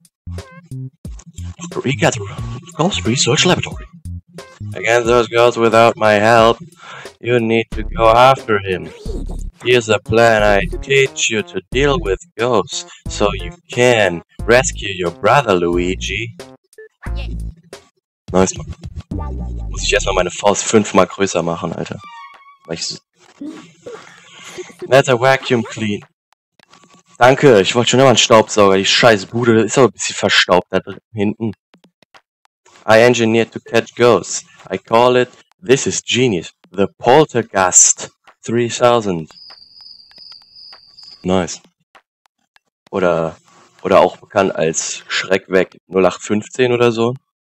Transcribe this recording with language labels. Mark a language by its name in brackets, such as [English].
[English] Dr. Eget, Ghost Research Laboratory. Against those guns without my help, you need to go after him. Here's a plan. I teach you to deal with ghosts so you can rescue your brother, Luigi. [German] Nice, Mann. Muss ich erstmal meine Faust fünfmal größer machen, Alter. Weil ich so. [English] That's a vacuum clean. [German] Danke, ich wollte schon immer einen Staubsauger. Die scheiß Bude ist aber ein bisschen verstaubt da drin, hinten. [English] I engineered to catch ghosts. I call it, this is genius, the Poltergeist 3000. [German] Nice. Oder auch bekannt als Schreckweg 0815 oder so.